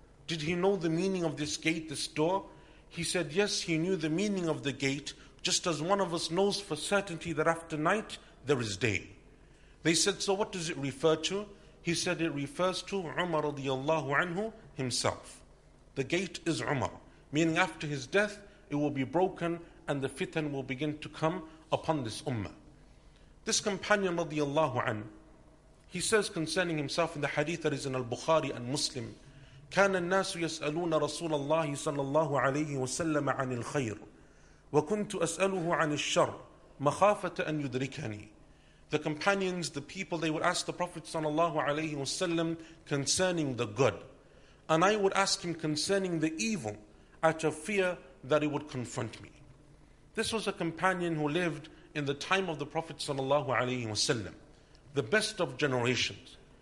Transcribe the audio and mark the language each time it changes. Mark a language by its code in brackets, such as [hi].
[en] Did he know the meaning of this gate, this door?" He said, "Yes, he knew the meaning of the gate, just as one of us knows for certainty that after night, there is day." They said, "So what does it refer to?" He said, "It refers to Umar radiallahu anhu himself. The gate is Umar, meaning after his death, it will be broken and the fitan will begin to come upon this ummah." This companion radiallahu anhu, he says concerning himself in the hadith that is in Al-Bukhari and Muslim, [ar] "كان الناس يسألون رسول الله صلى الله عليه وسلم عن الخير وكنت أسأله عن الشر مخافة أن يدركني." [en] The companions, the people, they would ask the Prophet sallallahu alayhi wasallam concerning the good. And I would ask him concerning the evil out of fear that he would confront me. This was a companion who lived in the time of the Prophet sallallahu alayhi wasallam, the best of generations.